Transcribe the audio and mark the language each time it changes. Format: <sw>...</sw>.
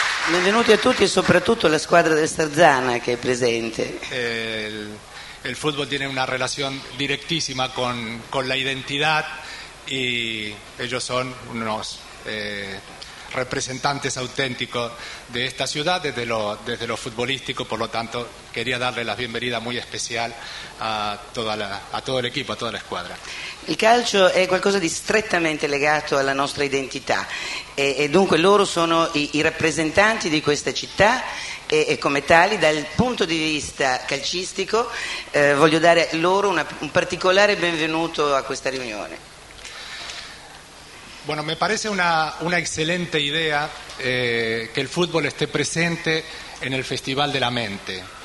<it>Benvenuti a tutti e soprattutto alla squadra del Sarzana che è presente. Il football</it> <es>tiene una relazione direttissima con la identità e ellos son unos representantes auténticos de esta ciudad desde lo futbolístico, por lo tanto quería darle la bienvenida muy especial a todo el equipo, a toda la</es> <it>squadra. Il calcio è qualcosa di strettamente legato alla nostra identità e dunque loro sono i rappresentanti di questa città e come tali dal punto di vista calcistico voglio dare loro un particolare benvenuto a questa riunione.</it> <es>Bueno, me parece una excelente idea que el fútbol esté presente en el Festival de la Mente.</es>